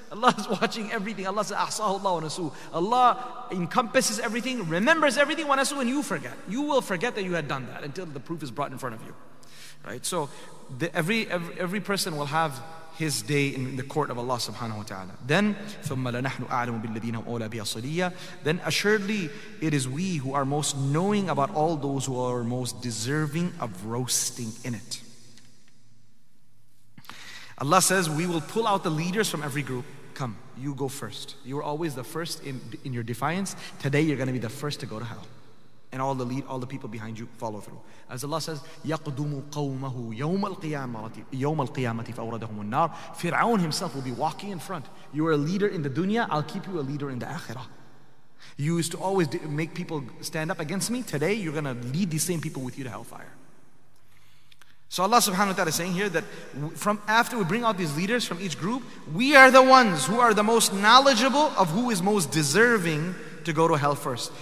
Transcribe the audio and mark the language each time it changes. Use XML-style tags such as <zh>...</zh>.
<en>Allah is watching everything. Allah says,</en> <ar>Ahsahu Allah wa nasuhu.</ar> <en>Allah encompasses everything, remembers everything, wa nasuhu, and you forget. You will forget that you had done that until the proof is brought in front of you. Right? So every person will have his day in the court of Allah subhanahu wa ta'ala. Then,</en> <ar>ثُمَّ لَنَحْنُ أَعْلَمُ بِالَّذِينَ هُمْ أَوْلَى بِيَصَلِيَّةِ.</ar> <en>Then assuredly, it is we who are most knowing about all those who are most deserving of roasting in it. Allah says, we will pull out the leaders from every group. Come, you go first. You were always the first in your defiance. Today you're going to be the first to go to hell. And all the people behind you follow through. As Allah says,</en> <ar>يَقْدُمُ قَوْمَهُ يَوْمَ الْقِيَامَةِ فَأَوْرَدَهُمُ النَّارِ.</ar> <en>Fir'aun himself will be walking in front. You are a leader in the dunya, I'll keep you a leader in the akhirah. You used to always make people stand up against me. Today you're going to lead these same people with you to hellfire. So Allah subhanahu wa ta'ala is saying here that from after we bring out these leaders from each group, we are the ones who are the most knowledgeable of who is most deserving to go to hell first.</en>